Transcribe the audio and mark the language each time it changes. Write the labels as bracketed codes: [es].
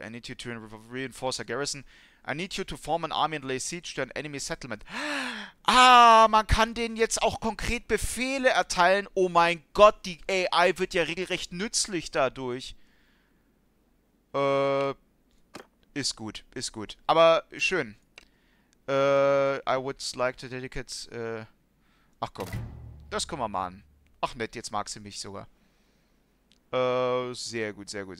[en] I need you to reinforce a garrison. I need you to form an army and lay siege to an enemy settlement. [de] Ah, man kann denen jetzt auch konkret Befehle erteilen. Oh mein Gott, die AI wird ja regelrecht nützlich dadurch. Ist gut. Aber schön. [en] I would like to dedicate... [de] Ach komm, das können wir machen. Ach nett, jetzt mag sie mich sogar. Sehr gut.